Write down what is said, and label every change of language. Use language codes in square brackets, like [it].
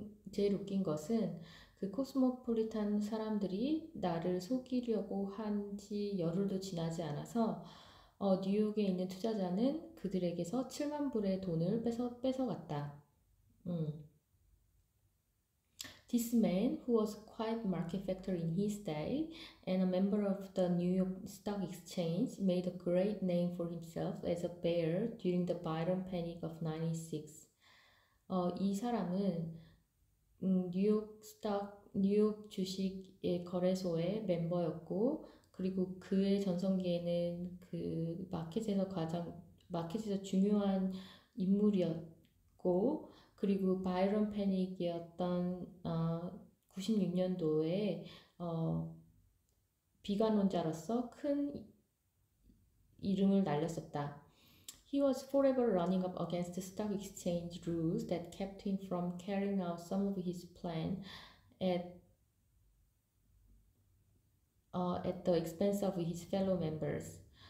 [ko] 제일 웃긴 것은 그 코스모폴리탄 사람들이 나를 속이려고 한 지 열흘도 지나지 않아서 뉴욕에 있는 투자자는 그들에게서 7만 불의 돈을 뺏어갔다. [en] This man, who was quite market factor in his day and a member of the New York Stock Exchange, made a great name for himself as a bear during the Byron Panic of 96. [ko] 이 사람은 뉴욕 주식 거래소의 멤버였고 그리고 그의 전성기에는 그 마켓에서 중요한 인물이었고, 그리고 바이런 패닉이었던 96년도에 비관론자로서 큰 이름을 날렸었다. [en] He was forever running up against the stock exchange rules that kept him from carrying out some of his plan at the expense of his fellow members.